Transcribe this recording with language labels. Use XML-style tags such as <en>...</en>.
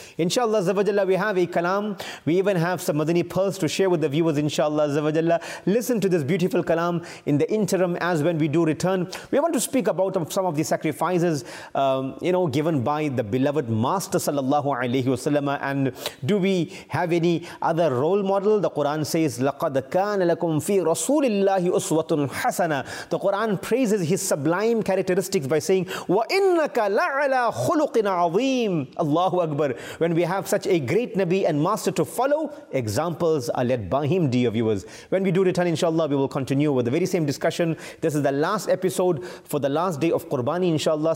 <en>Inshallah, Zawajalla, we have a kalam. We even have some Madani pearls to share with the viewers, inshallah, Zawajalla. Listen to this beautiful kalam in the interim as when we do return. We want to speak about some of the sacrifices, given by the beloved Master, sallallahu alayhi wa sallam. And do we have any other role model? The Quran says,</en> <ar>لَقَدْ كَانَ لَكُمْ فِي رَسُولِ اللَّهِ أُسْوَةٌ حَسَنًا.</ar> <en>The Quran praises his sublime characteristics by saying,</en> <ar>وَإِنَّكَ لَعَلَى خُلُقٍ عَظِيمٍ.</ar> <en>Allahu Akbar. When we have such a great Nabi and Master to follow, examples are led by him, dear viewers. When we do return, inshallah, we will continue with the very same discussion. This is the last episode for the last day of Qurbani, inshallah.</en>